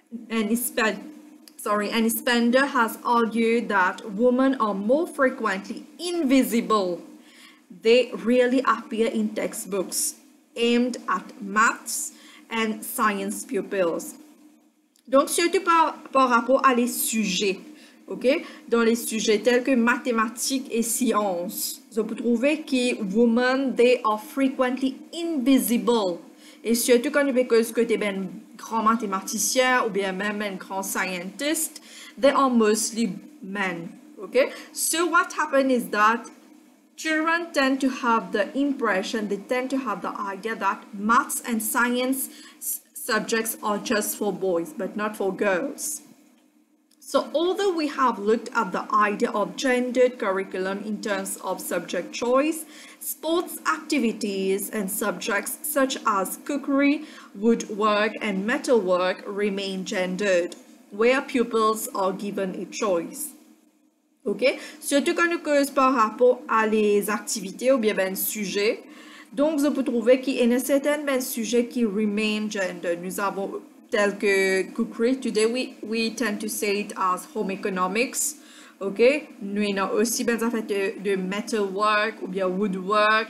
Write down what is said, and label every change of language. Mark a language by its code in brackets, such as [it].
[en] And Spender has argued that women are more frequently invisible. They really appear in textbooks aimed at maths and science pupils. [fr] Donc, surtout par rapport à les sujets, ok? Dans les sujets tels que mathématiques et sciences, vous trouvez que [en] women, they are frequently invisible. [fr] Et surtout quand vous pensez que t'es ben grand mathématicien ou bien même un grand scientist, [en] they are mostly men, [fr] ok? [en] So what happened is that children tend to have the impression, they tend to have the idea that maths and science subjects are just for boys, but not for girls. So although we have looked at the idea of gendered curriculum in terms of subject choice, sports activities and subjects such as cookery, woodwork and metalwork remain gendered, where pupils are given a choice. [fr] Ok, surtout quand on cause par rapport à les activités ou bien ben sujets. Donc, vous pouvez trouver qu'il y a une certaine ben sujet qui [en] remain gender. [fr] Nous avons tel que cookery. [en] Today, we tend to say it as home economics. [fr] Ok, nous avons aussi ben affaires de metalwork ou bien woodwork.